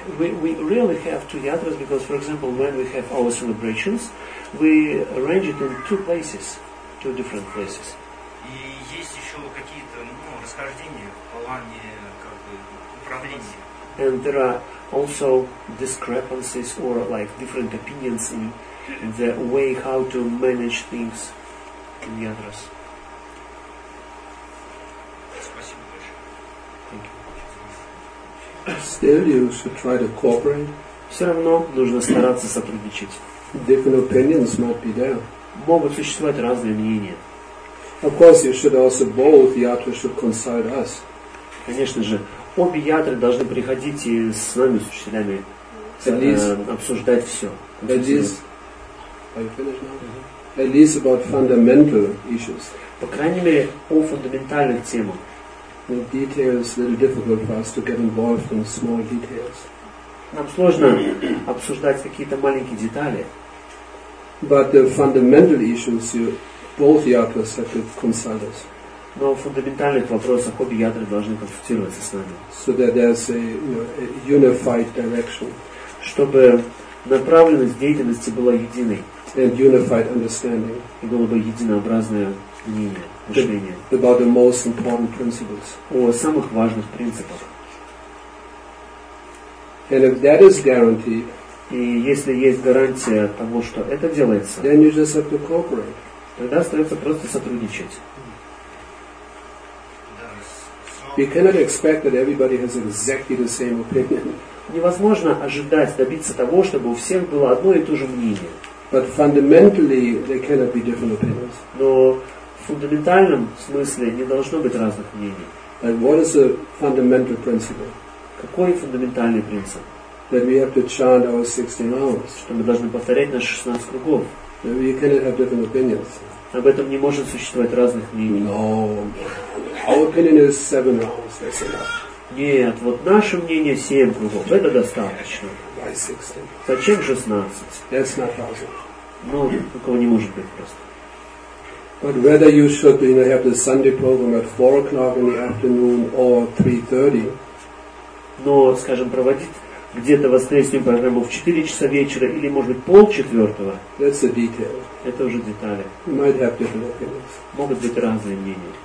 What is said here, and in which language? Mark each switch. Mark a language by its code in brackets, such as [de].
[en] Because we really have two yatras, because, for example, when we have our celebrations, we arrange it in two places, two different places. [ru] И есть еще какие-то, расхождения в плане, управления. [en] And there are also discrepancies or like different opinions in the way how to manage things. In the address. [ru] Спасибо большое. [en] Still, you should try to cooperate. [ru] Все равно нужно стараться сотрудничать. [en] Different opinions might be there. [ru] Могут существовать разные мнения. [en] Of course, you should also both yatra should consult us. [ru] Конечно же, обе ятры должны приходить и с нами, с учителями, обсуждать все. [en] At least about fundamental issues. [ru] По крайней мере, о фундаментальных темах. [en] The details are a little difficult for us to get involved in small details. [ru] Нам сложно обсуждать какие-то маленькие детали. [en] But the fundamental issues, both yatras have to consult us. [ru] Но в фундаментальных вопросах обе ятры должны консультироваться с нами. [en] So that there's a unified direction. [ru] Чтобы направленность деятельности была единой. [en] And unified understanding. [ru] И было бы единообразное мнение, мышление. [en] About the most important principles. [ru] О самых важных принципах. [en] And if that is guaranteed. [ru] И если есть гарантия того, что это делается. [en] Then you just have to cooperate. [ru] Тогда остается просто сотрудничать. [en] You cannot expect that everybody has exactly the same opinion. [ru] Невозможно ожидать добиться того, чтобы у всех было одно и то же мнение. [en] But fundamentally, there cannot be different opinions. [ru] Но в фундаментальном смысле не должно быть разных мнений. [en] And what is a fundamental principle? [ru] Какой фундаментальный принцип? [en] That we have to chant our 16 hours. [ru] Что мы должны повторять наши 16 кругов. [en] That we cannot have different opinions. [ru] Об этом не может существовать разных мнений. [en] No. Our opinion is 7 hours. That's enough. [ru] Нет, вот наше мнение 7 кругов. Это достаточно. Зачем 16? [en] That's not possible. [ru] Ну, такого не может быть просто. [en] But whether you should, have the Sunday program at 4 o'clock in the afternoon or 3:30. [ru] Но, скажем, проводить где-то воскресную программу в 4 часа вечера или, может быть, 3:30. [en] That's a detail. [ru] Это уже детали. [en] You might have different opinions. [ru] Могут быть разные мнения.